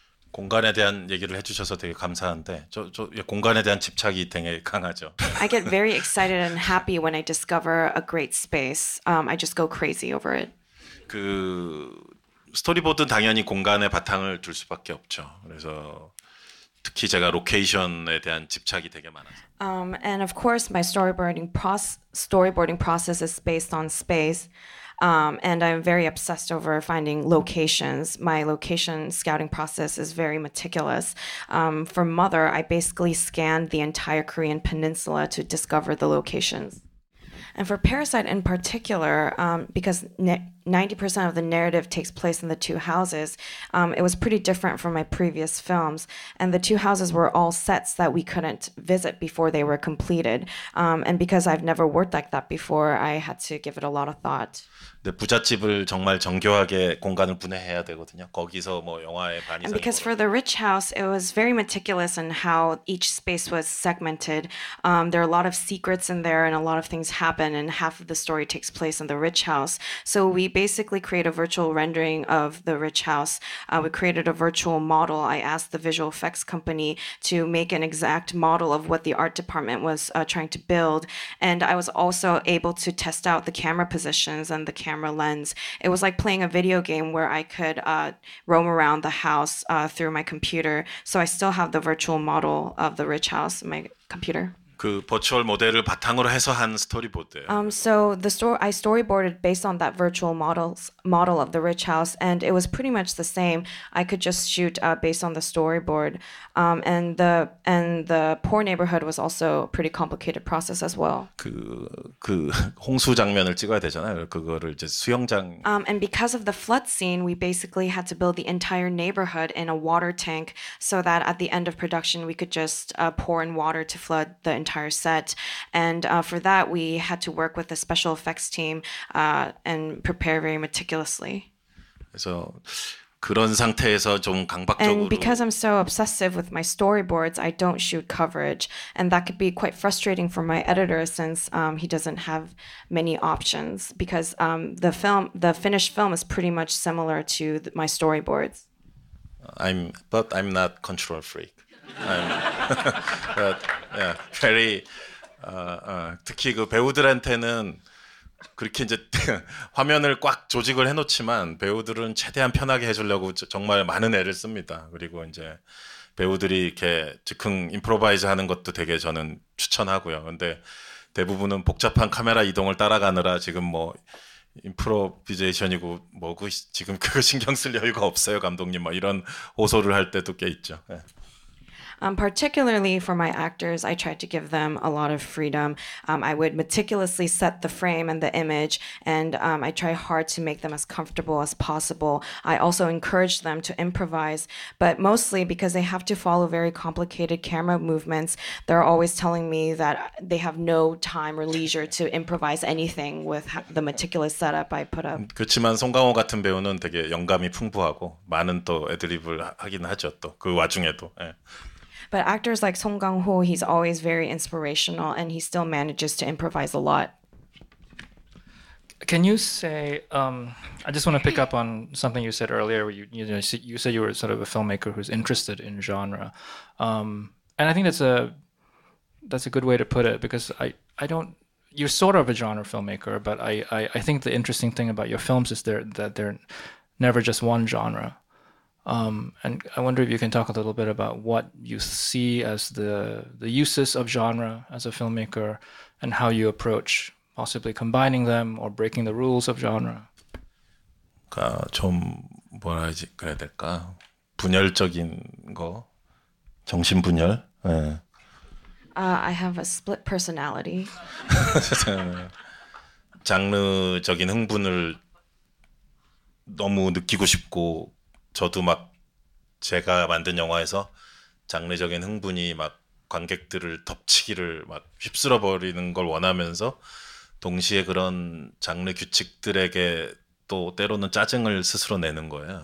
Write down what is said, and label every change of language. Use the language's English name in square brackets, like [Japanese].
[Korean] 공간에 대한 얘기를 해주셔서 되게 감사한데, 저 공간에 대한 집착이 되게 강하죠. [English] I get very excited and happy when I discover a great space. I just go crazy over it. [Korean] 그 스토리보드는 당연히 공간의 바탕을 둘 수밖에 없죠. 그래서 특히 제가 로케이션에 대한 집착이 되게 많아서. [English] And of course, my storyboarding process is based on space, and I'm very obsessed over finding locations. My location scouting process is very meticulous. For Mother, I basically scanned the entire Korean Peninsula to discover the locations. And for Parasite in particular, because 90% of the narrative takes place in the two houses, it was pretty different from my previous films. And the two houses were all sets that we couldn't visit before they were completed. And because I've never worked like that before, I had to give it a lot of thought. [Korean] 네, 부잣집을 정말 정교하게 공간을 분해해야 되거든요. 거기서 뭐 영화의 반 이상. [English] And because for the rich house, it was very meticulous in how each space was segmented. There are a lot of secrets in there, and a lot of things happen. And half of the story takes place in the rich house. So we basically create a virtual rendering of the rich house. We created a virtual model. I asked the visual effects company to make an exact model of what the art department was trying to build. And I was also able to test out the camera positions and the camera lens. It was like playing a video game where I could roam around the house through my computer. So I still have the virtual model of the rich house in my computer. [Korean] 그 버추얼 모델을 바탕으로 해서 한 스토리보드예요. [English] So the I storyboarded based on that virtual model of the rich house, and it was pretty much the same. I could just shoot based on the storyboard, and the poor neighborhood was also a pretty complicated process as well. [Korean] 그 홍수 장면을 찍어야 되잖아요. 그거를 이제 수영장. [English] And because of the flood scene, we basically had to build the entire neighborhood in a water tank, so that at the end of production, we could just pour in water to flood the entire set. And for that, we had to work with a special effects team and prepare very meticulously. [Korean] 그래서 그런 상태에서 좀 강박적으로. [English] And because I'm so obsessive with my storyboards, I don't shoot coverage, and that could be quite frustrating for my editor since he doesn't have many options because the finished film is pretty much similar to my storyboards. But I'm not control freak. very [Korean] 특히 그 배우들한테는 그렇게 이제 화면을 꽉 조직을 해놓지만 배우들은 최대한 편하게 해주려고 정말 많은 애를 씁니다. 그리고 이제 배우들이 이렇게 즉흥 임프로바이즈 하는 것도 되게 저는 추천하고요. 근데 대부분은 복잡한 카메라 이동을 따라가느라 지금 뭐 임프로비제이션이고 뭐고 지금 그거 신경 쓸 여유가 없어요, 감독님. 뭐 이런 호소를 할 때도 꽤 있죠. [English] Particularly for my actors, I tried to give them a lot of freedom. I would meticulously set the frame and the image, and I try hard to make them as comfortable as possible. I also encourage them to improvise, but mostly because they have to follow very complicated camera movements, they're always telling me that they have no time or leisure to improvise anything with the meticulous setup I put up. [Korean] 그렇지만 송강호 같은 배우는 되게 영감이 풍부하고 많은 또 애드립을 하긴 하죠, 또 그 와중에도. [English] But actors like Song Kang-ho, he's always very inspirational, and he still manages to improvise a lot. Can you say? I just want to pick up on something you said earlier. Where you said you were sort of a filmmaker who's interested in genre, and I think that's a good way to put it because you're sort of a genre filmmaker, but I think the interesting thing about your films is that they're never just one genre. And I wonder if you can talk a little bit about what you see as the uses of genre as a filmmaker and how you approach possibly combining them or breaking the rules of genre. [Korean] 그러니까 좀 뭐라지 그래야 될까? 분열적인 거? 정신분열? 네. [English] I have a split personality. [Korean] 장르적인 흥분을 너무 느끼고 싶고 저도 막 제가 만든 영화에서 장르적인 흥분이 막 관객들을 덮치기를 막 휩쓸어 버리는 걸 원하면서 동시에 그런 장르 규칙들에게 또 때로는 짜증을 스스로 내는 거예요.